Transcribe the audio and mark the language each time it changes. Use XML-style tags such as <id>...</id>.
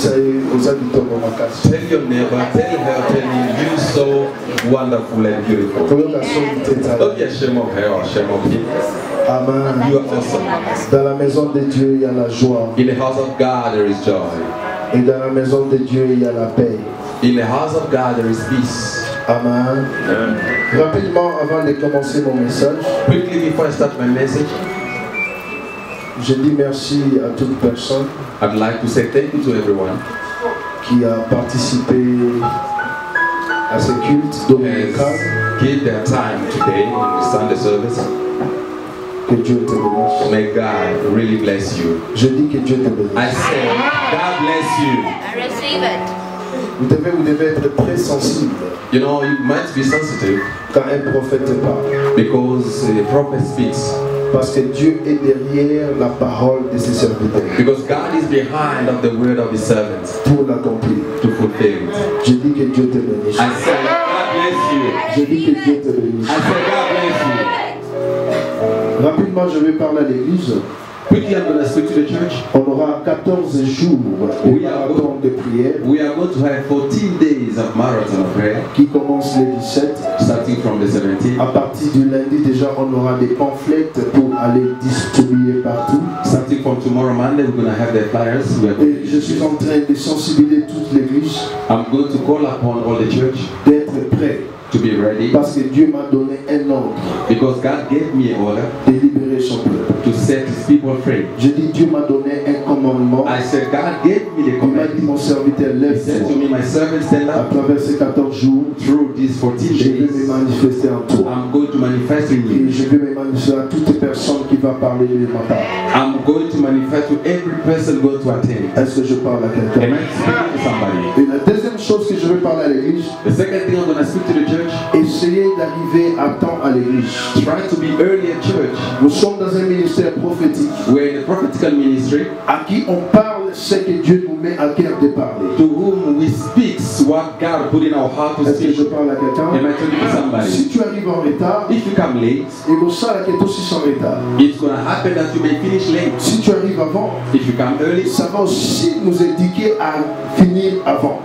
<en>Tell your neighbor, tell him, you're so wonderful and beautiful. Don't be ashamed of her or ashamed of him. Amen. You are awesome.</en> <fr>Dans la maison de Dieu, il y a la joie.</fr> <en>In the house of God, there is joy.</en> <fr>Et dans la maison de Dieu, il y a la paix.</fr> <en>In the house of God, there is peace.</en> <fr>Amen. Rapidement, avant de commencer mon message.</fr> <en>Quickly before I start my message.</en> <fr>Je dis merci à toute personne.</fr> <en>I'd like to say thank you to everyone.</en> <fr>Qui a participé à ce culte dominical.</fr> <en>Give their time today in the Sunday service.</en> <fr>Que Dieu te bénisse.</fr> <en>May God really bless you.</en> <fr>Je dis que Dieu te bénisse.</fr> <en>I say, God bless you. I receive it.</en> <fr>Vous devez être très sensible.</fr> <en>You know, you might be sensitive.</en> <fr>Quand un prophète parle.</fr> <en>Because a prophet speaks.</en> <fr>Parce que Dieu est derrière la parole de ses serviteurs.</fr> <en>Because God is behind of the word of his servants.</en> <fr>Pour l'accomplir.</fr> <en>To fulfill it.</en> <fr>Je dis que Dieu te bénisse.</fr> <en>I say, God bless you.</en> <fr>Je dis que Dieu te bénisse.</fr> <en>I say, God bless you.</en> <fr>Rapidement, je vais parler à l'église.</fr> <en>Quickly, I'm going to speak to the church.</en> <fr>On aura 14 jours</fr> <en>we are going</en> <fr>de prière.</fr> <en>We are going to have 14 days of marathon of prayer.</en> <fr>Qui commence le 17,</fr> <en>starting from the 17th.</en> <fr>À partir du lundi déjà, on aura des pamphlets pour aller distribuer partout.</fr> <en>Starting from tomorrow Monday, we're going to have the flyers.</en> <fr>Et je suis en train de sensibiliser toute l'église.</fr> <en>I'm going to call upon all the church.</en> <fr>D'être prêt.</fr> <en>To be ready.</en> <fr>Parce que Dieu m'a donné un ordre.</fr> <en>Because God gave me an order.</en> <fr>De libérer son peuple.</fr> <en>To set his people free.</en> <fr>Je dis Dieu m'a donné un commandement.</fr> <en>I said God gave me the commandment.</en> <fr>Il m'a dit mon serviteur lève.</fr> <en>He said to me my servant stand up.</en> <fr>À travers ces 14 jours.</fr> <en>Through these 14 days.</en> <fr>Je vais me manifester en toi.</fr> <en>I'm going to manifest in you.</en> <fr>Et je vais me manifester à toute personne qui va parler de ma part.</fr> <en>I'm going to manifest to every person going to attend.</en> <fr>Est-ce que je parle à quelqu'un?</fr> <en>Amen. Speak to somebody.</en> <fr>Et la deuxième chose que je veux parler à l'église.</fr> <en>The second thing I'm going to speak to the church.</en> <fr>Essayez d'arriver à temps à l'église.</fr> <en>Try to be early at church.</en> <fr>Nous sommes dans un ministère prophétique.</fr> <en>We're in a prophetical ministry.</en> <fr>À qui on parle ce que Dieu nous met à cœur de parler.</fr> <en>To whom we speak what God put in our heart to speak.</en> <fr>Est-ce que je parle à quelqu'un?</fr> <en>Am I talking to somebody?</en> <fr>Si tu arrives en retard,</fr> <en>if you come late,</en> <fr>il va que tu aussi en retard.</fr> <en>It's gonna happen that you may finish late.</en> <fr>Si tu arrives avant,</fr> <en>if you come early,</en> <fr>ça va aussi nous indiquer à finir avant.</fr>